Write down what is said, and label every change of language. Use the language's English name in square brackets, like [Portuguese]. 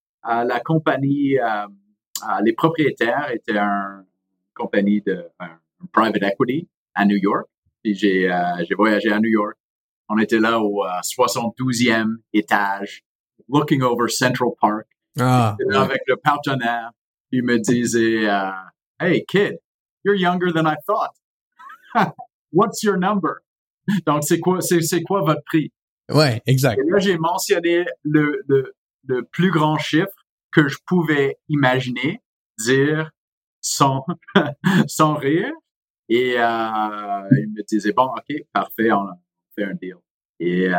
[French] La compagnie, les propriétaires étaient une compagnie de private equity à New York. Puis j'ai voyagé à New York. On était là au 72e étage, [English] looking over Central Park. Ah, [French] ouais. Avec le partenaire, il me disait, [English] hey kid, you're younger than I thought. What's your number? [French] Donc c'est quoi votre prix? Ouais, exact. Et là j'ai mentionné le plus grand chiffre que je pouvais imaginer dire sans rire. Et il me disait, bon, OK, parfait, on fait un deal. Et,